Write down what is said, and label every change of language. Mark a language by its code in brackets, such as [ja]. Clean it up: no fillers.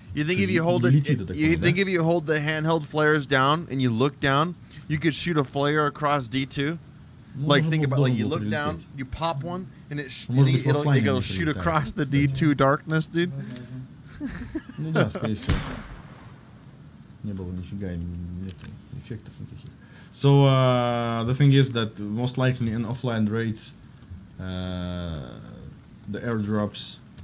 [en] You think if you hold it, if you hold the handheld flares down and you look down, you could shoot a flare across D2. Like think about like you look down, you pop one, and it'll shoot across the D2 darkness, dude. [ru] Ну да, скорее всего. Не было нифига нет эффектов никаких. [en] So the thing is that most likely in offline raids, the airdrops.